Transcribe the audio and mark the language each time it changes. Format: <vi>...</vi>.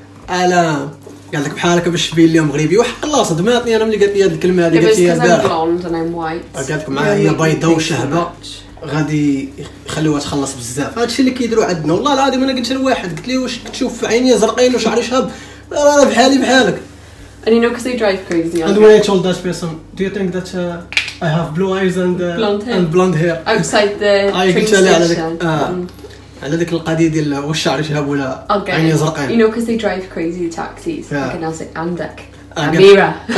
<ar>ألا قال لك بحالك بالشبي اليوم غريبي وحق الله صدماتني أنا ملي قلت لي هذه الكلمة هذه قلت لي هي البارحة. قال لك معايا هي بيضة وشهبة غادي يخلوها تخلص بزاف هادشي اللي كيديروا عندنا والله العظيم أنا قلت لواحد قلت لي واش كتشوف في عيني زرقين وشعري شهب أنا بحالي بحالك.</ar> <en>And you know because they drive crazy. And when I told that person, do you think that I have blue eyes and blonde hair? Outside the train station.</en> <ar>على ذلك القضية دي اللي وش شعري شهب ولا عيني زرقين.</ar> <en>You know because they drive crazy the taxis. Yeah. Like, and I was like, Andek, Amira.</en>